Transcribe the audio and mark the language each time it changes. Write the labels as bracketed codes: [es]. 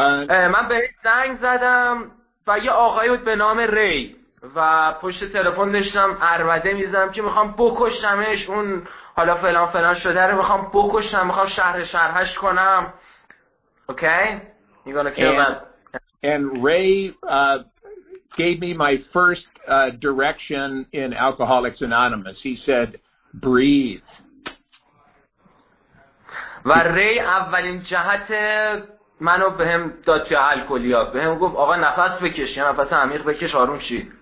[fa] من به زنگ زدم و یه آقایی بود به نام ری. و پشت تلفن نشستم عربده میزدم که میخوام بکشمش اون حالا فلان فلان شده رو میخوام بکشم میخوام شهر شهرش کنم. [en] Okay, you're gonna kill that. And Ray gave me my first direction in Alcoholics Anonymous. He said, breathe. [fa] و Ray اولین جهت منو بهم داد توی الکلیا بهم گفت آقا نفس بکش نفس عمیق بکش آروم شی.